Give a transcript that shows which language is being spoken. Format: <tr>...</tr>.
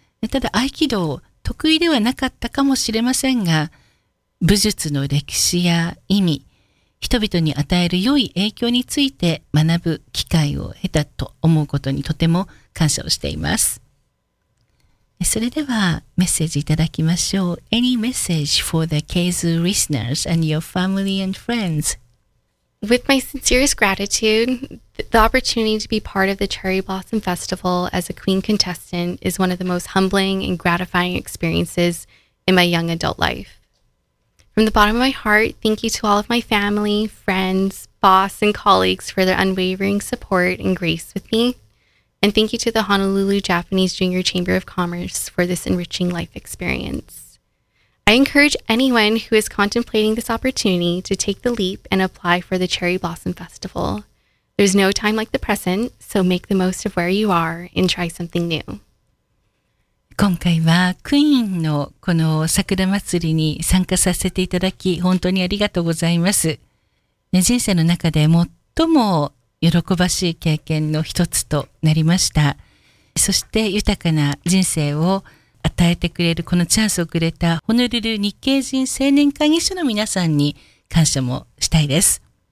<ja>ただ合気道、得意ではなかったかもしれませんが、武術の歴史や意味、人々に与える良い影響について学ぶ機会を得たと思うことにとても感謝をしています。それではメッセージいただきましょう。</ja> <en>Any message for the Keizu listeners and your family and friends? With my sincerest gratitude, the opportunity to be part of the Cherry Blossom Festival as a queen contestant is one of the most humbling and gratifying experiences in my young adult life. From the bottom of my heart, thank you to all of my family, friends, boss, and colleagues for their unwavering support and grace with me. And thank you to the Honolulu Japanese Junior Chamber of Commerce for this enriching life experience. I encourage anyone who is contemplating this opportunity to take the leap and apply for the Cherry Blossom Festival. There's no time like the present, so make the most of where you are and try something new.</en> <ja>今回はクイーンのこの桜祭りに参加させていただき、本当にありがとうございます。ね、人生の中で最も喜ばしい経験の一つとなりました。そして豊かな人生を与えてくれるこのチャンスをくれたホノルル日系人青年会議所の皆さんに感謝もしたいです。</ja>